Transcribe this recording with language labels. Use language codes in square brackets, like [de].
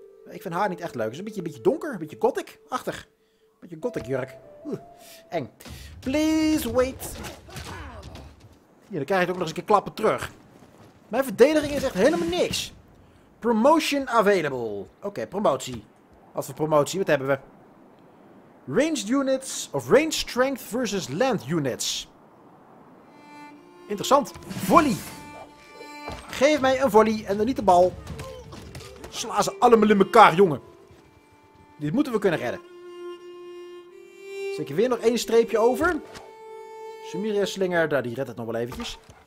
[nl] Ik vind haar niet echt leuk. Ze is een beetje donker, een beetje gothic-achtig. Een beetje gothic-jurk. Eng. [en] Please wait. [nl] Ja, dan krijg ik ook nog eens een keer klappen terug. Mijn verdediging is echt helemaal niks. [en] Promotion available. [nl] Oké, promotie. Wat voor promotie? Wat hebben we? [en] Ranged units of range strength versus land units. [nl] Interessant. Volley. Geef mij een volley en dan niet de bal. Sla ze allemaal in elkaar, jongen. Dit moeten we kunnen redden. Zet je weer nog één streepje over. Sumeria slinger, daar, die redt het nog wel eventjes.